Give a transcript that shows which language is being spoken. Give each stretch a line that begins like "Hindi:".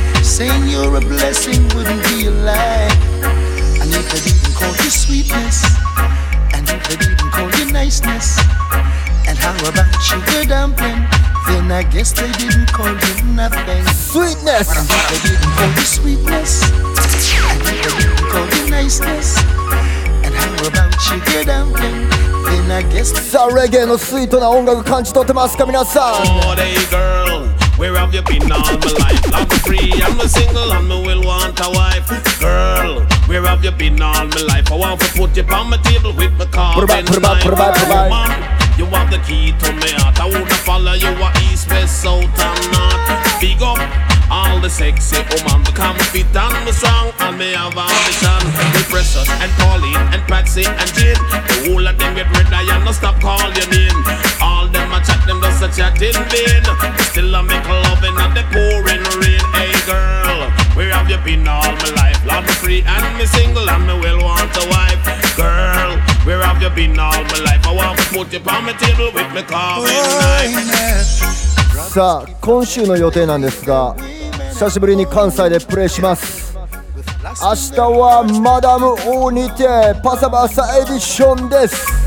English: Saying you're a blessing wouldn't be a lie. And if they didn't call you sweetness, and if they didn't call you niceness, and how about sugar dumpling, then I guess they didn't call you nothing. Sweetness! And if they didn't call you sweetness, and if they didn't call you niceness, and how about sugar dumpling, then I guess
Japanese: さあ、レゲエのスイートな音楽感じ取ってますか皆さん。
English: Where have you been all my life? I'm free, I'm a single, and me will want a wife. Girl, where have you been all my life? I want to put you on my table with my car and knife. Woman, you have the key to me heart. I wanna follow you at east, west, south, and north. Big up all the sexy woman. Become fit and me strong, and me have ambition. Me precious and Pauline and Patsy and Jane. The whole of them get red eye and no stop call your name. All them a chat, them just a chat in vain. Still I make love and the pouring rain. Hey girl, where have you been all my life? Love me free and me single and me well want a wife. Girl, where have you been all my life? I want to put you on my table with me carving knife.
Japanese: さあ、今週の予定なんですが、久しぶりに関西でプレイします。明日はマダム王にてパサバサエディションです。